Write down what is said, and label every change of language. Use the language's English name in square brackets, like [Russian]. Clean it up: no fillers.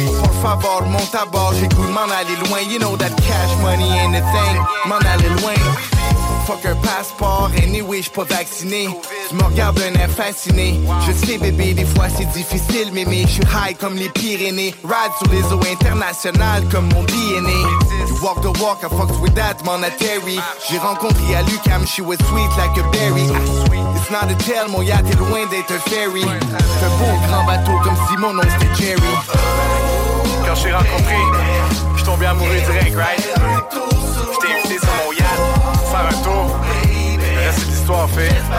[French] Pour favor, monte à bord, j'ai goût de m'en aller loin. [English] You know that cash money ain't a thing, [French] m'en aller loin. Fuck un passeport, anyway, j'suis pas vacciné. Tu me regardes d'un air fasciné. Je sais, bébé, des fois c'est difficile, mémé. J'suis high comme les Pyrénées. Ride sur les eaux internationales comme mon DNA. [English] You walk the walk, I fucked with that, man, à Terry. [French] J'ai rencontré à l'UQAM, [English] she was sweet like a berry. It's not a tale, [French] mon yacht est loin d'être un ferry. Un beau grand bateau comme si mon nom c'était Jerry. Quand j'ai rencontré, j'suis tombé amoureux direct, right? J't'ai invité sur mon yacht. Un tour, le reste de l'histoire fait.